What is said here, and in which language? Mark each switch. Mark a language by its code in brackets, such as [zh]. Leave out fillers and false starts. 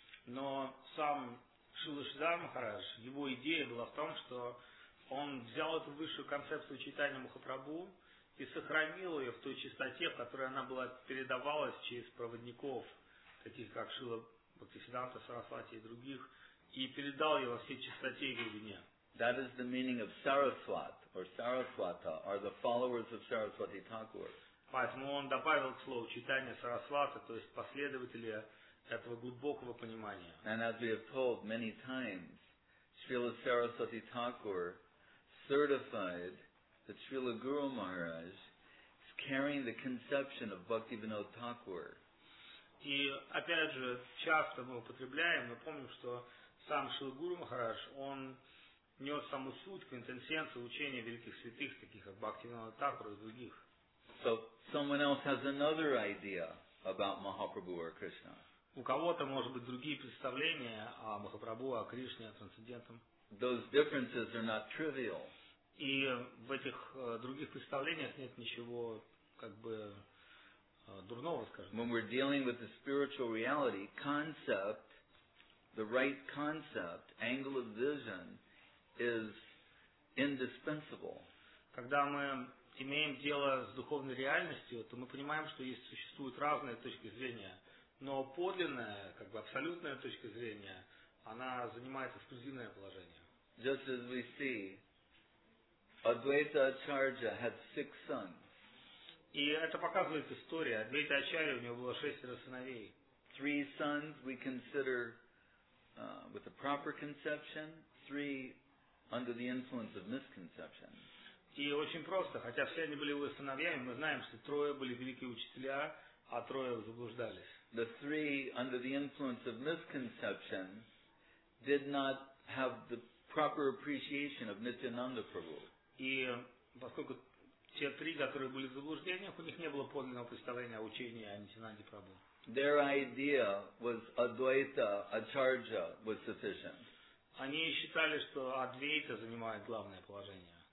[ru] Но сам Шрила Шридхар Махарадж, его идея была в том, что он взял эту высшую концепцию читания Махапрабху и сохранил ее в той чистоте, в которой она была передавалась через проводников, таких как Шрила Бхактисиддханта Сарасвати и других, и передал ее во всей чистоте и глубине. [en] That is the meaning of Saraswat or Saraswata, or the followers of Saraswati Thakur. [ru] Поэтому он добавил к слову читание Сарасвата, то есть последователи этого глубокого понимания. [en] And as we have told many times, Srila Saraswati Thakur certified that Srila Guru Maharaj is carrying the conception of Bhaktivinoda Thakur. [ru] И опять же, часто мы употребляем, мы помним, что сам Шрила Гуру Махарадж, он нес саму суть, квинтэссенцию учения великих святых, таких как Бхактивинода Тхакур и других. [en] So someone else has another idea about Mahaprabhu or Krishna. [ru] У кого-то может быть другие представления о Махапрабху, о Кришне, о трансцендентном. [en] Those differences are not trivial. [ru] И в этих других представлениях нет ничего как бы дурного, скажем. [en] When we're dealing with the spiritual reality, concept, the right concept, angle of vision is indispensable. [ru] Когда мы имеем дело с духовной реальностью, то мы понимаем, что есть существуют разные точки зрения, но подлинная, как бы абсолютная точка зрения, она занимает эксклюзивное положение. [en] Just as we see, Advaita Acharya had six sons. [ru] И это показывает история. Адвайта Ачарья, у него было шестеро сыновей. [en] Three sons we consider with a proper conception, three under the influence of misconception. [ru] И очень просто, хотя все они были его сыновьями, мы знаем, что трое были великие учителя, а трое заблуждались. [en] The three under the influence of misconception did not have the proper appreciation of Nityananda Prabhu. [ru] И поскольку те три, которые были в заблуждениях, у них не было подлинного представления о учении о Нитянанде Прабху. [en] Their idea was Advaita Acharya was sufficient. [ru] Они считали, что Адвейта занимает главное положение.